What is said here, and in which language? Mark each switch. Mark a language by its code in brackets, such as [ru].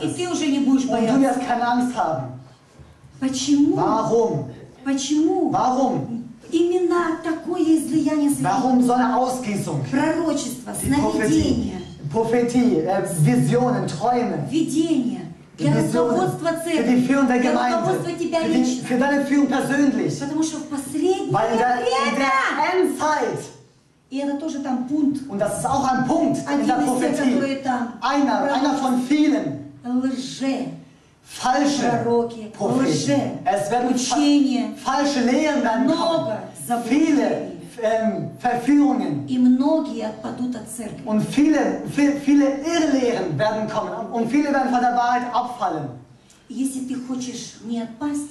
[ru] И ты уже не будешь бояться. Почему? Именно такое излияние Святого. Пророчество, сновидение. [de] Prophetie, Visionen, Träume. [ru] Видение. Для руководства церкви. [de] Für die Führung der Gemeinde. Für deine Führung persönlich. [ru] Потому что в последнее время. [de] Endzeit. [ru] И это тоже там пункт. [de] Und das ist auch ein Punkt in der Prophetie. Einer von vielen. [ru] Лже. [de] Falsche [ru] пророки. [de] Propheten. [ru] Лже. [de] Es werden [ru] учения. [de] Falsche Lehren werden kommen. Viele. Verführungen. [ru] И многие отпадут от церкви. [de] Und viele Irrlehren werden kommen und viele werden von der Wahrheit abfallen. [ru] Если ты хочешь не отпасть.